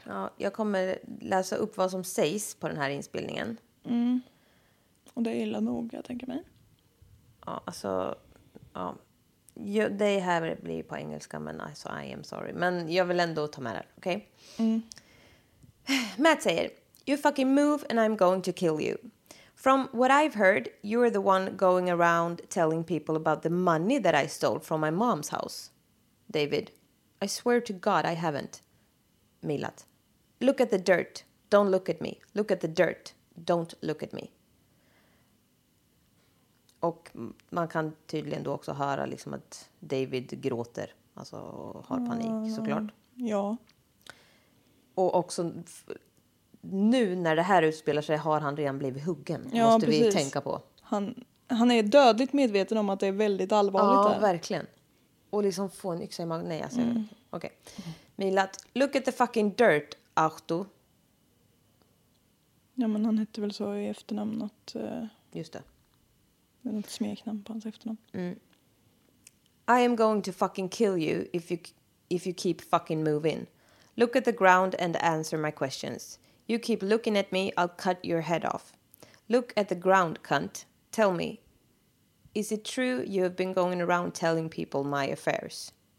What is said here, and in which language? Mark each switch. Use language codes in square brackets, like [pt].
[sv] Ja, jag kommer läsa upp vad som sägs på den här inspelningen. Mm. Och det är illa nog, jag tänker mig. Ja, alltså... Ja. Det här blir på engelska, men alltså, [en] I am sorry. [sv] Men jag vill ändå ta med det, okej? [en] Okay? Mm. Matt säger, "You fucking move and I'm going to kill you. From what I've heard, you are the one going around telling people about the money that I stole from my mom's house, David. I swear to God I haven't." Milat. "Look at the dirt. Don't look at me. Look at the dirt. Don't look at me." [sv] Och man kan tydligen då också höra liksom att David gråter. Alltså har panik såklart. Ja. Och också nu när det här utspelar sig har han redan blivit huggen. Ja, måste precis. Vi tänka på. Han är dödligt medveten om att det är väldigt allvarligt. Ja, här. Verkligen. Och liksom få en yxa i magen. Nej, alltså. Okej. [en] Milat, look at the fucking dirt, Auto. [sv] Ja, men han hette väl så i efternamn något. Just det. Det är något smeknamn på hans efternamn. Mm. [en] I am going to fucking kill you if you keep fucking moving. Look at the ground and answer my questions. You keep looking at me, I'll cut your head off. Look at the ground, cunt. Tell me, is it true you have been going around telling people my affairs?